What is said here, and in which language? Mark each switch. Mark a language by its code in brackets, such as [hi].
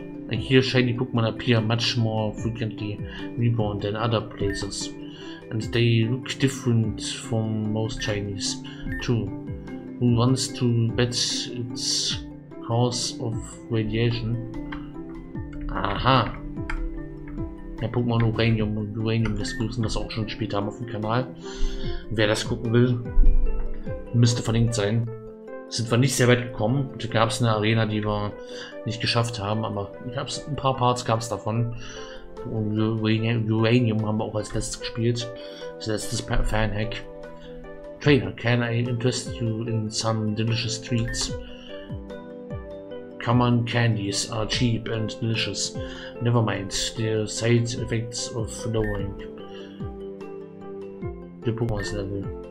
[en] Here shiny Pokemon appear much more frequently reborn than other places, and they look different from most Chinese too. Who wants to bet its cause of radiation? Aha! [de] Ja, Pokemon Uranium und Uranium, das müssen wir auch schon später haben auf dem Kanal. Wer das gucken will, müsste verlinkt sein. Sind wir nicht sehr weit gekommen. Da gab es eine Arena, die wir nicht geschafft haben, aber ein paar Parts gab es davon. Und Uranium haben wir auch als letztes gespielt. Das letzte Fanhack. [en] Trainer, can I interest you in some delicious treats? Common candies are cheap and delicious. Never mind the side effects of lowering the Pokémon's level.